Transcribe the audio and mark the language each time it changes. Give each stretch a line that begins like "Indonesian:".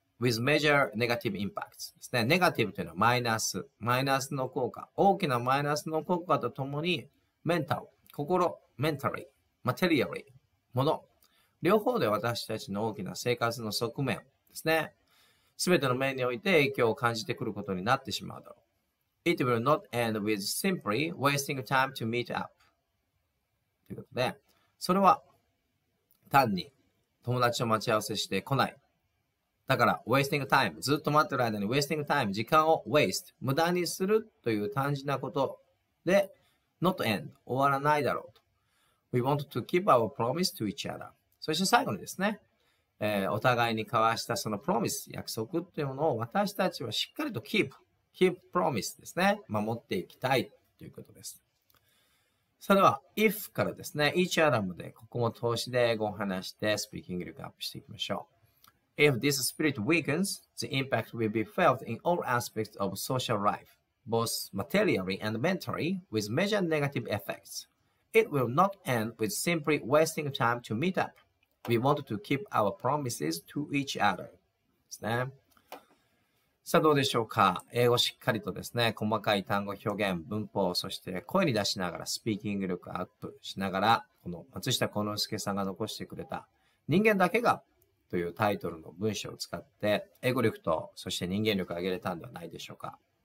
Japanese: With major negative impacts ですね。ネガティブというのはマイナス、マイナスの効果、大きなマイナスの効果とともに、メンタル、心、メンタリー、マテリアリー、もの、両方で私たちの大きな生活の側面ですね。すべての面において影響を感じてくることになってしまうだろう。
English: It will not end with simply wasting time to meet up.
Japanese: ということで、それは単に友達と待ち合わせしてこない。だから、 wasting time. ずっと待ってる間に wasting time. 時間を waste. 無駄にするという単純なことで not end. 終わらないだろうと。
English: We want to keep our promise to each other.
Japanese: そして最後にですね、お互いに交わしたその promise, 約束というものを私たちはしっかりと keep.
English: Keep promise ですね。
Japanese: 守っていきたいということです。それでは、if からですね、 each other まで、ここも通しで英語を話して speaking 力アップしていきましょう。
English: If this spirit weakens, the impact will be felt in all aspects of social life, both materially and mentally, with major negative effects. It will not end with simply wasting time to meet up. We want to keep our promises to each other.
Japanese: ですね。さあどうでしょうか。英語しっかりとですね、細かい単語表現、文法、そして声に出しながら、スピーキング力アップしながら、この松下幸之助さんが残してくれた人間だけがというタイトルの文章を使って、英語力と、そして人間力を上げれたんではないでしょうか。